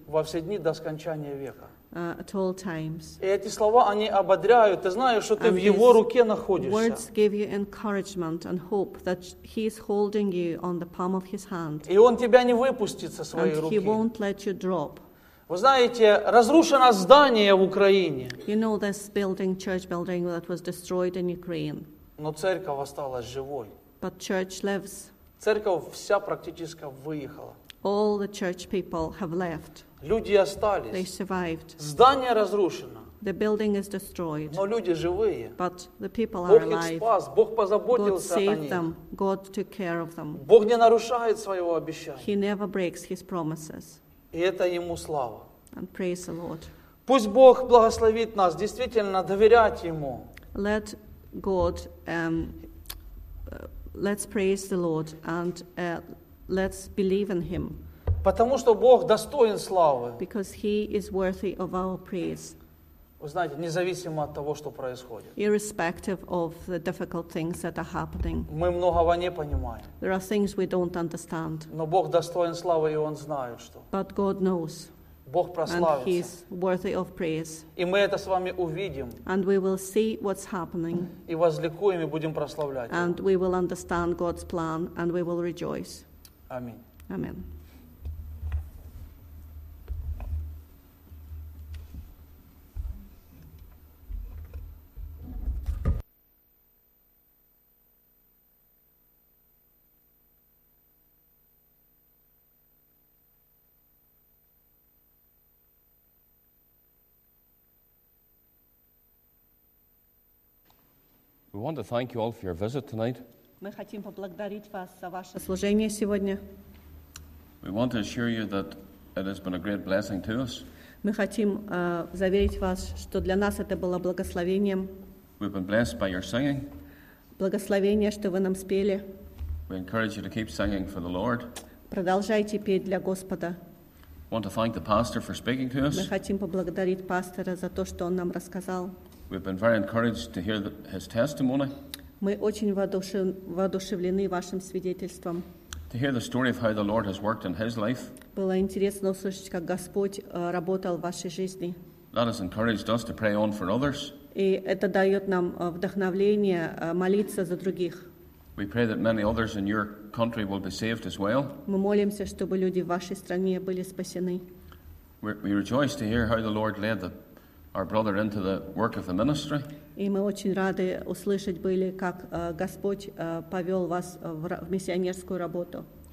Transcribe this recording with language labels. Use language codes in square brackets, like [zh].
[ru] Во все дни до скончания века. [en] At all times. [ru] И эти слова, они ободряют. Ты знаешь, что ты [en] and [ru] в Его руке находишься. [en] Words give you encouragement and hope that He is holding you on the palm of His hand. [ru] И Он тебя не выпустит со своей [en] and [ru] руки. [en] He won't let you drop. [ru] Вы знаете, разрушено здание в Украине. [en] You know this building, church building that was destroyed in Ukraine. [ru] Но церковь осталась живой. [en] But church lives. [ru] Церковь вся практически выехала. [en] All the church people have left. [ru] Люди остались. [en] They survived. [ru] Здание разрушено. [en] The building is destroyed. [ru] Но люди живые. [en] But the people are alive. [ru] Бог их спас. Бог позаботился [en] God saved [ru] о них. [en] Them. God took care of them. [ru] Бог не нарушает своего обещания. [en] He never breaks his promises. [ru] И это ему слава. [en] And praise the Lord. [ru] Пусть Бог благословит нас действительно доверять ему. [en] Let God, let's praise the Lord and let's believe in him. [ru] Потому что Бог достоин славы. [en] Because he is worthy of our praise. [ru] Вы знаете, независимо от того, что происходит. [en] Irrespective of the difficult things that are happening. [ru] Мы многого не понимаем. [en] There are things we don't understand. [ru] Но Бог достоин славы, и Он знает, что. [en] But God knows. [ru] Бог прославится. [en] And he is worthy of praise. [ru] И мы это с вами увидим. [en] And we will see what's happening. [ru] И возликуем, и будем прославлять. [en] And we will understand God's plan, and we will rejoice. [ru] Аминь. Аминь. [en] We want to thank you all for your visit tonight. [ru] Мы хотим поблагодарить вас за ваше служение сегодня. [en] We want to assure you that it has been a great blessing to us. [ru] Мы хотим заверить вас, что для нас это было благословением. [en] We've been blessed by your singing. [ru] Благословение, что вы нам спели. [en] We encourage you to keep singing for the Lord. [ru] Продолжайте петь для Господа. [en] We want to thank the pastor for speaking to us. [ru] Мы хотим поблагодарить пастора за то, что он нам рассказал. [en] We've been very encouraged to hear his testimony. [ru] Мы очень воодушевлены вашим свидетельством. [en] To hear the story of how the Lord has worked in his life. [ru] Было интересно услышать, как Господь работал в вашей жизни. [en] That has encouraged us to pray on for others. [ru] И это дает нам вдохновение молиться за других. [en] We pray that many others in your country will be saved as well. [ru] Мы молимся, чтобы люди в вашей стране были спасены. [en] We rejoice to hear how the Lord led our brother into the work of the ministry. [ru] И мы очень рады услышать были, как Господь повел вас в миссионерскую работу.